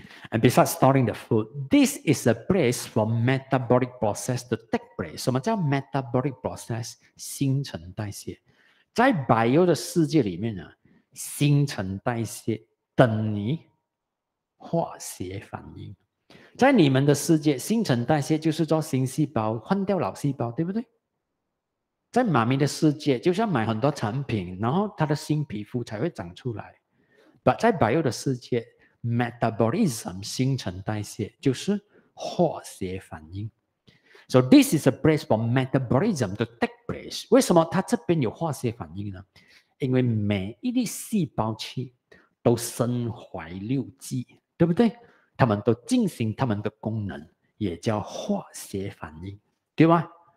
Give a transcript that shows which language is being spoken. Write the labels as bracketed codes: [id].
[en] And besides storing the food, this is a place for metabolic process to take place. [zh] 什么叫 metabolic process? 新陈代谢。在 bio 的世界里面呢，新陈代谢等于化学反应。在你们的世界，新陈代谢就是做新细胞，换掉老细胞，对不对？在妈咪的世界，就是要买很多产品，然后她的新皮肤才会长出来。 But 在 bio 的世界，metabolism 新陈代谢就是化学反应。 [en] So this is a place for metabolism to take place。 [zh] 为什么它这边有化学反应呢？因为每一粒细胞器都身怀六技，对不对？它们都进行它们的功能，也叫化学反应，对吧？